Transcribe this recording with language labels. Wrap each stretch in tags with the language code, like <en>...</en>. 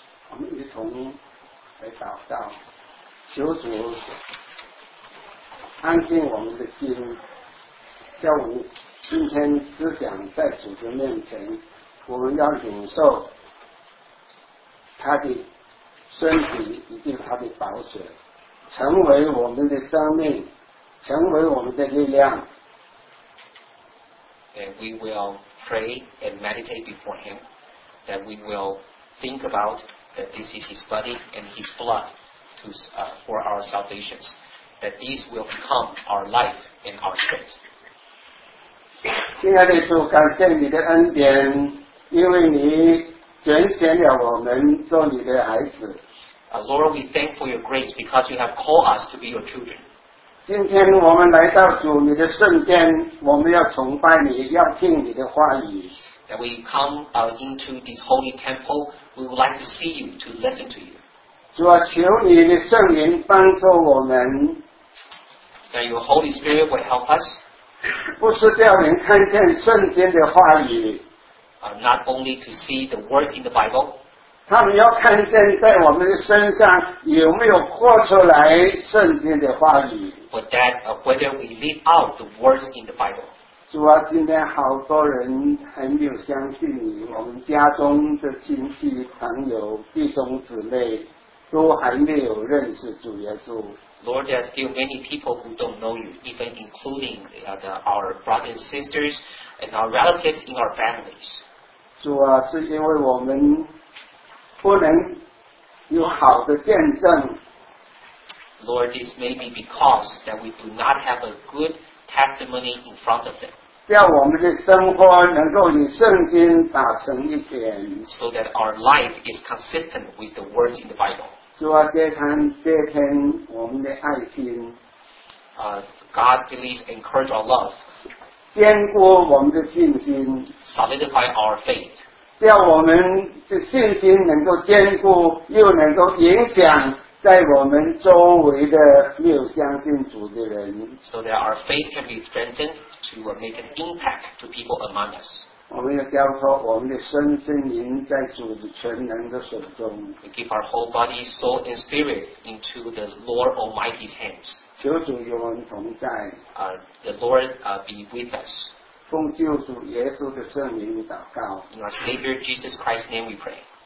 <zh>我们一同来祷告，求主安静我们的心，叫我们今天思想在主的面前，我们要领受他的身体以及他的宝血，成为我们的生命，成为我们的力量。</zh> <en>And we will pray and meditate before him, that we will think about that this is his body and his blood to, for our salvations, that these will become our life and our strength.</en> <zh>亲爱的主，感谢你的恩典，因为你拣选了我们做你的孩子。</zh> <en>Lord, we thank for your grace because you have called us to be your children.</en> <zh>今天我们来到主你的圣殿，我们要崇拜你，要听你的话语。</zh> <en>That we come into this holy temple, we would like to see you, to listen to you.</en> <zh>主啊，求你的圣灵帮助我们。</zh> <en>That your Holy Spirit will help us.</en> <zh>不是叫人看见圣殿的话语。</zh> <en>Not only to see the words in the Bible.</en> <zh>他们要看见在我们的身上有没有活出来圣经的话语。</zh> <en>But that, whether we live out the words in the Bible.</en> <zh>主啊，今天好多人很有相信你，我们家中的亲戚朋友弟兄姊妹都还没有认识主耶稣。</zh> <en>Lord, there are still many people who don't know you, even including our brothers and sisters and our relatives in our families.</en> <zh>主啊，是因为我们不能有好的见证。</zh> <en>Lord, this may be because that we do not have a good testimony in front of them.</en> <zh>叫我们的生活能够与圣经打成一片。</zh> <en>So that our life is consistent with the words in the Bible.</en> <zh>主啊，这天这天我们的爱心。</zh> <en>God please encourage our love.</en> <zh>坚固我们的信心。</zh> <en>Solidify our faith.</en> <zh>让我们的信心能够坚固，又能够影响在我们周围的没有相信主的人。</zh> <en>So that our faith can be strengthened to make an impact to people among us.</en> <zh>我们要交托我们的身心灵在主的全能的手中。</zh> <en>We give our whole body, soul, and spirit into the Lord Almighty's hands.</en> <zh>求主与我们同在。</zh> <en>The Lord be with us.</en> <zh>奉救主耶稣的圣名祷告。</zh> <en>In our Savior Jesus Christ's name we pray.</en>